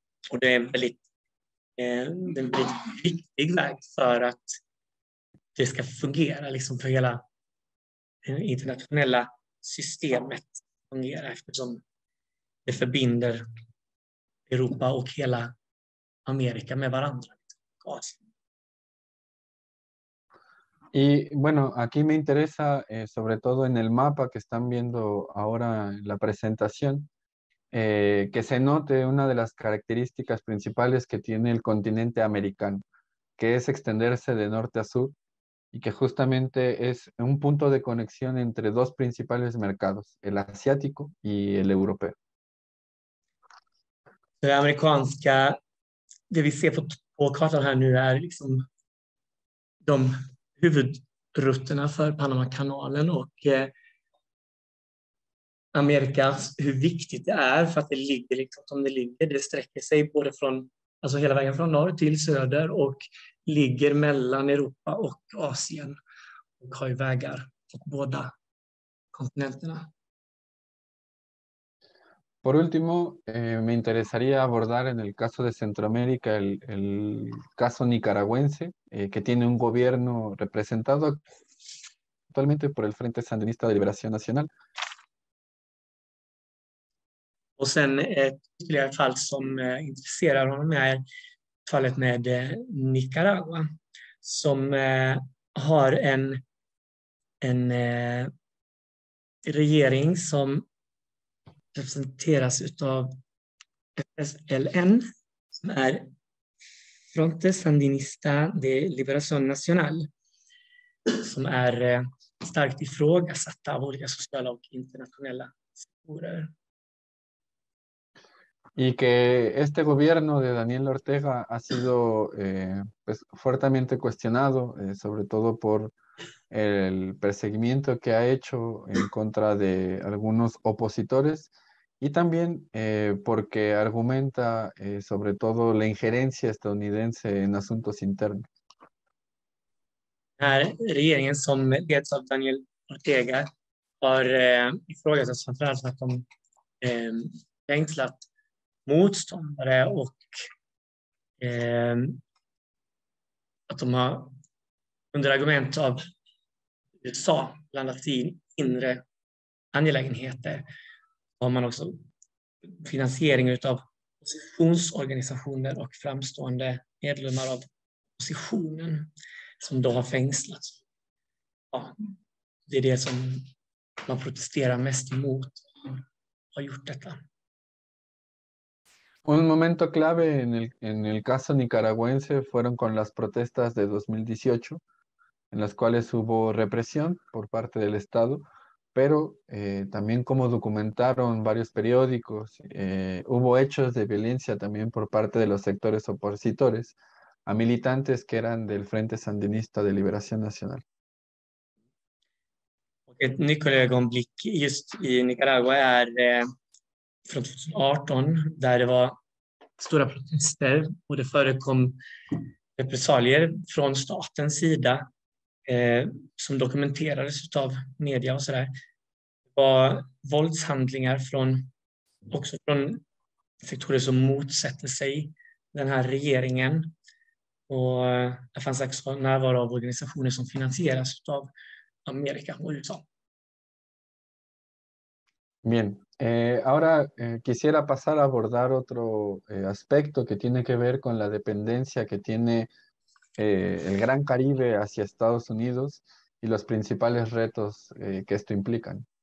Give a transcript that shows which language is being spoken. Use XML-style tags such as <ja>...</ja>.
<sv>Och det är en väldigt viktig väg för att det ska fungera, liksom för hela det internationella systemet fungera, eftersom det förbinder Europa och hela Amerika med varandra.</sv> <es>Y bueno, aquí me interesa sobre todo en el mapa que están viendo ahora en la presentación, que se note una de las características principales que tiene el continente americano, que es extenderse de norte a sur y que justamente es un punto de conexión entre dos principales mercados, el asiático y el europeo.</es> <sv>Det amerikanska, det vi ser på kartan här nu är liksom de huvudrutterna för Panamakanalen och Amerikas, hur viktigt det är för att det ligger liksom som det ligger. Det sträcker sig både från, alltså hela vägen från norr till söder och ligger mellan Europa och Asien och har ju vägar åt båda kontinenterna.</sv> <es>Por último, me interesaría abordar en el caso de Centroamérica el caso nicaragüense, que tiene un gobierno representado actualmente por el Frente Sandinista de Liberación Nacional.</es> <sv>Y sen ytterligare fall som intresserar honom är fallet med Nicaragua, som har en regering som representeras utav FSLN, som är Frente Sandinista de Liberación Nacional, som är starkt ifrågasatta av olika sociala och internationella sektorer.</sv> <es>Y que este gobierno de Daniel Ortega ha sido pues fuertemente cuestionado sobre todo por el perseguimiento que ha hecho en contra de algunos opositores. Y también porque argumenta sobre todo la injerencia estadounidense en asuntos internos.</es> <sv>Här regeringen som leds av Daniel Ortega har ifrågasatts framförallt att de fängslat motståndare och att de har under argument av USA blandat i inre angelägenheter. Har man också finansiering utav oppositionsorganisationer och framstående medlemmar av oppositionen som då har fängslats. Ja, det är det som man protesterar mest emot har gjort detta.</sv> <es>Un momento clave en el caso nicaragüense fueron con las protestas de 2018, en las cuales hubo represión por parte del Estado, pero también como documentaron varios periódicos, hubo hechos de violencia también por parte de los sectores opositores a militantes que eran del Frente Sandinista de Liberación Nacional.</es> <sv>Ett nyckelögonblick just i Nicaragua är från 2018 där det var stora protester och det förekom repressalier från statens sida som dokumenterades av media och sådär. Det var våldshandlingar från också från sektorer som motsätter sig den här regeringen och det fanns också närvaro av organisationer som finansieras av Amerika och USA.</sv> <es>Bien, ahora quisiera pasar a abordar otro aspecto que tiene que ver con la dependencia que tiene el Gran Caribe hacia Estados Unidos y los principales retos que esto implica.</es>